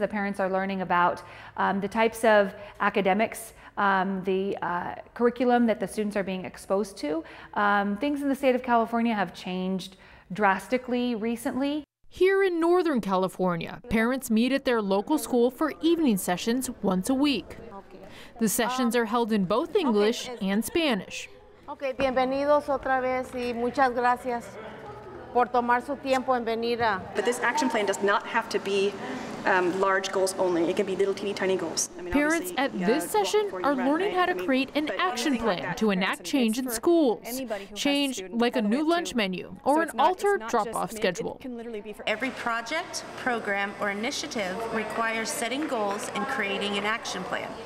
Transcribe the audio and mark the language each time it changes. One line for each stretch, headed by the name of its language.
English: The parents are learning about the types of academics, the curriculum that the students are being exposed to. Things in the state of California have changed drastically recently. Here in Northern California, parents meet at their local school for evening sessions once a week. The sessions are held in both English and Spanish.
Spanish: Okay, bienvenidos otra vez y muchas gracias por tomar su tiempo en venir.
English: But this action plan does not have to be large goals only. It can be little teeny tiny goals. I mean, parents at this session are learning how to create an action plan to enact change in schools. Change like a new lunch menu or an altered drop-off schedule. Every project, program, or initiative requires setting goals and creating an action plan.